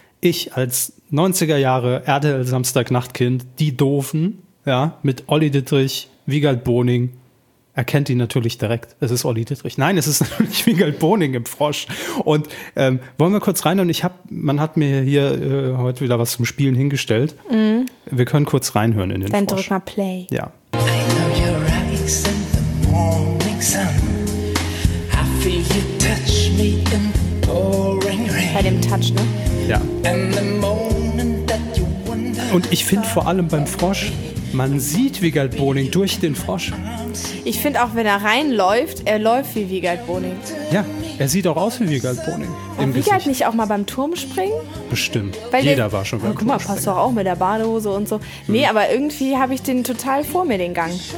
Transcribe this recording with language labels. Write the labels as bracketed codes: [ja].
[de] Ich als 90er Jahre RTL Samstagnachtkind, die Doofen, ja, mit Olli Dittrich, Wiegald Boning, er kennt ihn natürlich direkt. Es ist Olli Dittrich. Nein, es ist natürlich Wiegald Boning im Frosch. Und wollen wir kurz rein? Und man hat mir hier heute wieder was zum Spielen hingestellt. Mm. Wir können kurz reinhören in den Dann Frosch. Dann drück mal Play. Ja. [en] I love your eyes and the morning sun. I feel you touch me in the pouring rain. [de] Bei dem Touch, ne? Ja. [en] And the moment that you wonder. [de] Und ich finde vor allem beim Frosch, man sieht Wiegald Boning durch den Frosch. Ich finde auch, wenn er reinläuft, er läuft wie Wiegald Boning. Ja, er sieht auch aus wie Wiegald Boning. War Wiegald nicht auch mal beim Turm springen? Bestimmt. Jeder war schon beim Turm springen. Guck mal, passt doch auch mit der Badehose und so. Nee, aber irgendwie habe ich den total vor mir, den Gang.